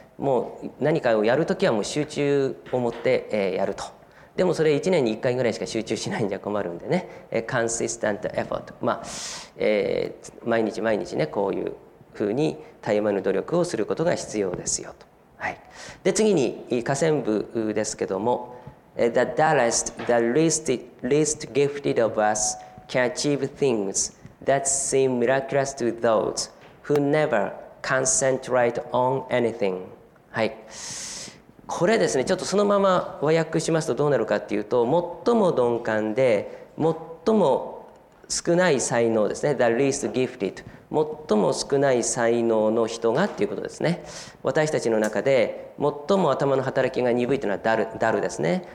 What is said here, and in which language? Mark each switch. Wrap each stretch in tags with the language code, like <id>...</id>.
<ja>もう何かをやるときはもう集中を持ってやると。でもそれ1年に1回ぐらいしか集中しないんじゃ困るんでね、</ja> <en>consistent effort</en> <ja>毎日毎日ね、こういうふうに絶え間ぬ努力をすることが必要ですよと。はい、で次に下線部ですけども、</ja> <en>the dullest, the least gifted of us can achieve things that seem miraculous to those who never concentrate on anything.</en> <ja>はい。これですね、ちょっとそのまま和訳しますとどうなるかっていうと、最も鈍感で最も少ない才能ですね、</ja> <en>the least gifted、</en> <ja>最も少ない才能の人がっていうことですね。私たちの中で最も頭の働きが鈍いというのはダルですね。</ja>